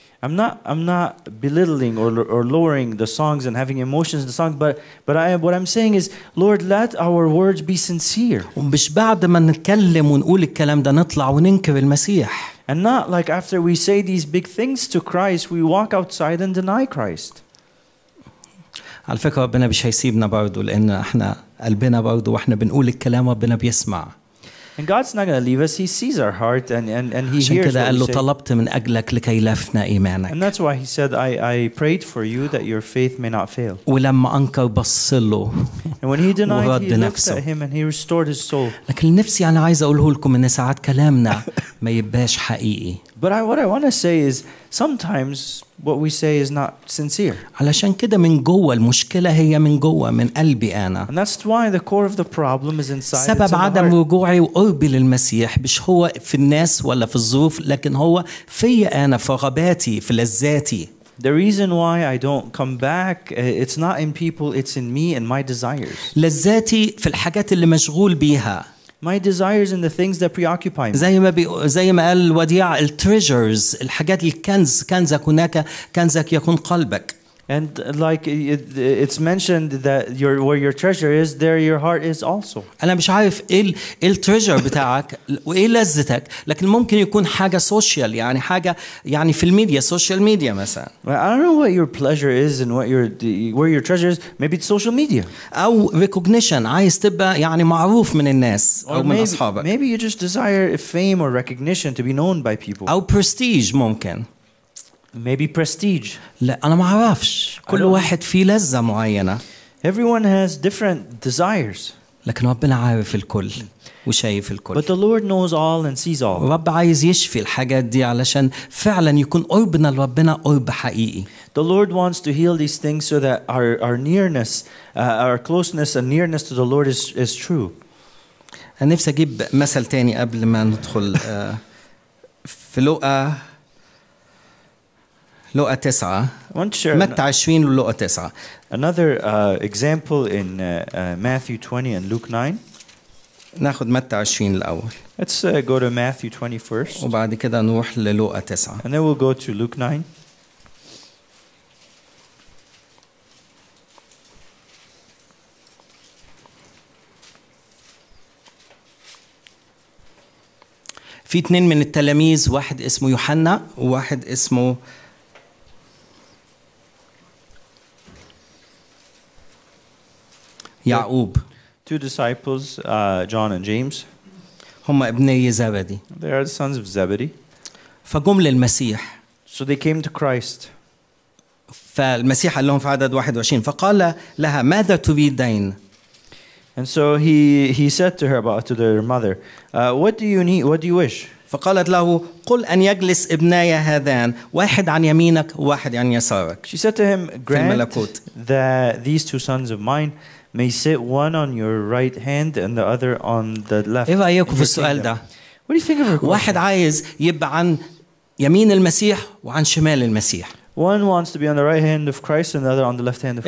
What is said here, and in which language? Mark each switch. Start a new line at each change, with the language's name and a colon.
English: I'm not belittling or lowering the songs and having emotions in the song, but I, what I'm saying is, Lord, let our words be sincere.
Arabic: ومش بعد ما نتكلم ونقول الكلام ده نطلع وننكر المسيح.
English: And not like after we say these big things to Christ, we walk outside and deny Christ.
Arabic: على فكرة ربنا مش هيسيبنا برضو، لأن احنا قلبنا برضو واحنا بنقول الكلام ربنا بيسمع.
English: And God's not going to leave us. He sees our heart and he hears.
Arabic: عشان كده قال له طلبت من أجلك لكي لفنا إيمانك.
English: And that's why he said I prayed for you that your faith may not fail.
Arabic: ولما أنكر بص له.
English: And when he denied, he looked at him and he restored his soul.
Arabic: لكن نفسي أنا عايز أقوله لكم إن ساعات كلامنا ما يبقاش حقيقي.
English: But what I want to say is sometimes what we say is not sincere.
Arabic: علشان كده من جوه المشكلة هي من جوه من قلبي أنا.
English: And that's why the core of the problem is inside.
Arabic: سبب عدم وجوعي وقربي للمسيح مش هو في الناس ولا في الظروف، لكن هو في أنا، في رغباتي، في لذاتي.
English: The reason why I don't come back, it's not in people, it's in me and my desires.
Arabic: لذاتي في الحاجات اللي مشغول بيها.
English: My desires and the things that preoccupy me.
Arabic: زي ما قال الوديع التريجرز، الحاجات الكنز، كنزك هناك، كنزك يكون قلبك.
English: And like it's mentioned that where your treasure is, there your heart is also.
Arabic: أنا مش عارف إيه التريجر بتاعك وإيه لذتك، لكن ممكن يكون حاجة سوشيال، يعني حاجة يعني في الميديا، سوشيال ميديا مثلا.
English: Well, I don't know what your pleasure is and where your treasure is. Maybe it's social media.
Arabic: أو recognition، عايز تبقى يعني معروف من الناس أو من أصحابك.
English: Maybe you just desire fame or recognition to be known by people.
Arabic: أو prestige ممكن.
English: Maybe prestige.
Arabic: لا أنا ما أعرفش. كل واحد في لذة معينة.
English: Everyone has different desires.
Arabic: لكن ربنا عارف الكل وشايف الكل.
English: But the Lord knows all and sees all.
Arabic: رب عايز يشفي الحاجات دي علشان فعلا يكون قربنا لربنا قرب حقيقي.
English: The Lord wants to heal these things so that our nearness, our closeness and nearness to the Lord is true.
Arabic: أنا نفسي أجيب مثل تاني قبل ما ندخل في لوقا. لوقا 9 متى 20 ولوقا 9.
English: Another example in Matthew 20 and Luke 9.
Arabic: ناخذ متى 20 الاول.
English: Let's go to Matthew 20 first.
Arabic: وبعد كده نروح للوقا 9.
English: And then we'll go to Luke 9.
Arabic: في في اثنين من التلاميذ واحد اسمه يوحنا وواحد اسمه يعقوب.
English: Two disciples, John and James.
Arabic: هم ابني زبدي.
English: They are the sons of Zebedee.
Arabic: فقوم للمسيح.
English: So they came to Christ.
Arabic: فالمسيح قال لهم في عدد 21 فقال لها ماذا تريدين؟
English: And so he said to her about to their mother, what do you need? What do you wish?
Arabic: فقالت له قل أن يجلس ابناي هذان واحد عن يمينك واحد عن يسارك.
English: She said to him, grant that these two sons of mine may sit one on your right hand and the other on the left.
Arabic: إيه رأيك في السؤال ده؟
English: What do you think of her question?
Arabic: واحد عايز يبقى عن يمين المسيح وعن شمال المسيح.
English: One wants to be on the right hand of Christ and the other on the left hand of Christ.